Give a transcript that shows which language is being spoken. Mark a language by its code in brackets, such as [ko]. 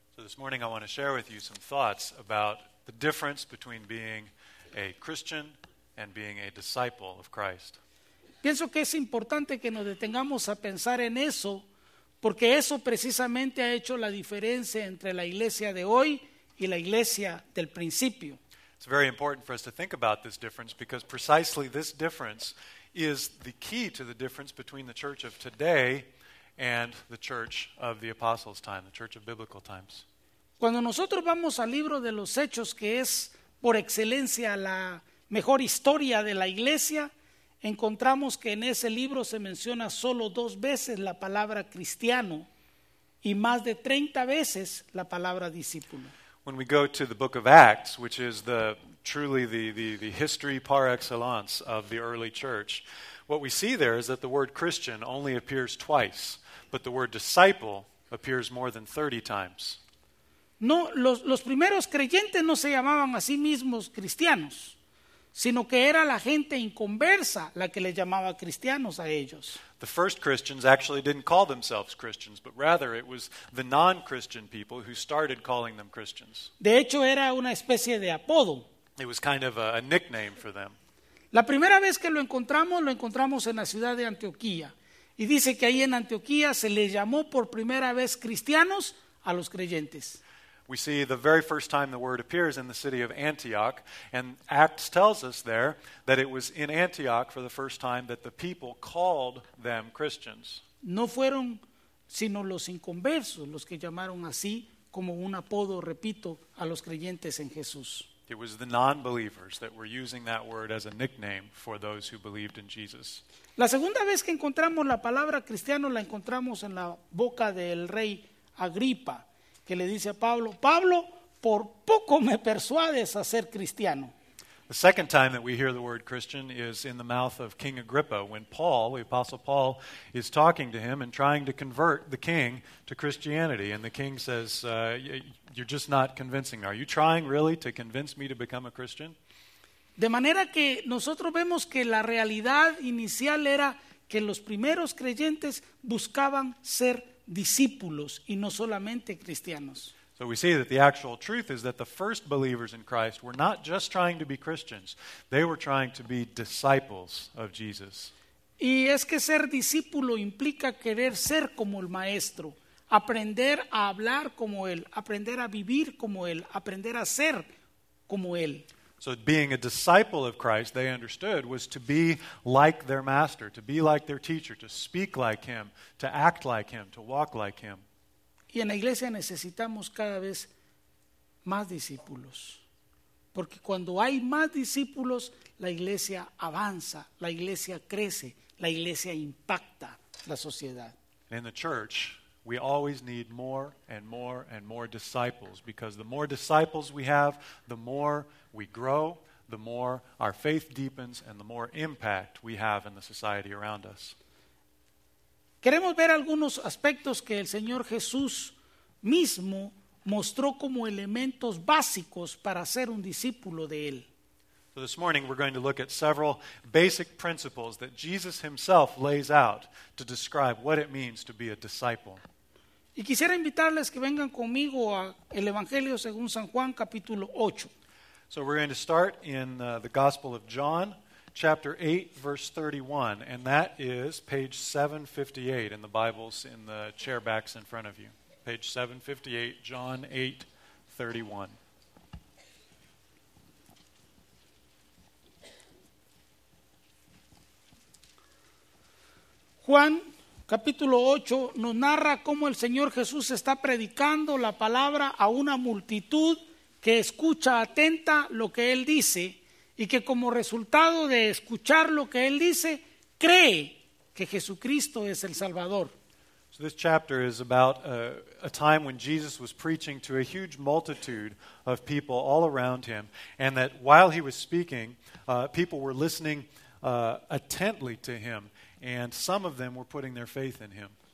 [en] So this morning I want to share with you some thoughts about the difference between being a Christian and being a disciple of Christ. [es] Pienso que es importante que nos detengamos a pensar en eso, porque eso precisamente ha hecho la diferencia entre la iglesia de hoy y la iglesia del principio. [en] It's very important for us to think about this difference, because precisely this difference is the key to the difference between the church of today and the church of the apostles' time, the church of biblical times. [es] Cuando nosotros vamos al libro de los Hechos, que es por excelencia la mejor historia de la iglesia, encontramos que en ese libro se menciona solo dos veces la palabra cristiano y más de 30 veces la palabra discípulo. [en] When we go to the book of Acts, which is truly the history par excellence of the early church, what we see there is that the word Christian only appears twice, but the word disciple appears more than 30 times. [es] No, los primeros creyentes no se llamaban a sí mismos cristianos, sino que era la gente inconversa la que les llamaba cristianos a ellos. [en] The first Christians actually didn't call themselves Christians, but rather it was the non-Christian people who started calling them Christians. [es] De hecho, era una especie de apodo. [en] It was kind of a nickname for them. [es] La primera vez que lo encontramos en la ciudad de Antioquía. Y dice que ahí en Antioquía se les llamó por primera vez cristianos a los creyentes. [en] We see the very first time the word appears in the city of Antioch, and Acts tells us there that it was in Antioch for the first time that the people called them Christians. [es] No fueron sino los inconversos los que llamaron así como un apodo, repito, a los creyentes en Jesús. [en] It was the non-believers that were using that word as a nickname for those who believed in Jesus. [es] La segunda vez que encontramos la palabra cristiano la encontramos en la boca del rey Agripa, que le dice a Pablo, Pablo, por poco me persuades a ser cristiano. [en] The second time that we hear the word Christian is in the mouth of King Agrippa, when Paul, the Apostle Paul, is talking to him and trying to convert the king to Christianity. And the king says, you're just not convincing me. Are you trying really to convince me to become a Christian? [es] De manera que nosotros vemos que la realidad inicial era que los primeros creyentes buscaban ser discípulos y no solamente cristianos. [en] So we see that the actual truth is that the first believers in Christ were not just trying to be Christians, they were trying to be disciples of Jesus. [es] Y es que ser discípulo implica querer ser como el maestro, aprender a hablar como él, aprender a vivir como él, aprender a ser como él. [en] So being a disciple of Christ, they understood, was to be like their master, to be like their teacher, to speak like him, to act like him, to walk like him. [es] Y en la iglesia necesitamos cada vez más discípulos. Porque cuando hay más discípulos, la iglesia avanza, la iglesia crece, la iglesia impacta la sociedad. [en] In the church, we always need more and more and more disciples, because the more disciples we have, the more we grow, the more our faith deepens, and the more impact we have in the society around us. [es] Queremos ver algunos aspectos que el Señor Jesús mismo mostró como elementos básicos para ser un discípulo de él. [en] So this morning we're going to look at several basic principles that Jesus himself lays out to describe what it means to be a disciple. [es] Y quisiera invitarles que vengan conmigo a el Evangelio según San Juan capítulo 8. [en] So we're going to start in the Gospel of John chapter 8 verse 31, and that is page 758 in the Bibles in the chair backs in front of you. Page 758, John 8, 31. [es] Juan, capítulo 8, nos narra cómo el Señor Jesús está predicando la palabra a una multitud que escucha atenta lo que Él dice y que como resultado de escuchar lo que Él dice, cree que Jesucristo es el Salvador. [en] This chapter is about a time when Jesus was preaching to a huge multitude of people all around him, and that while he was speaking, people were listening attently to him, and some of them were putting their faith in him.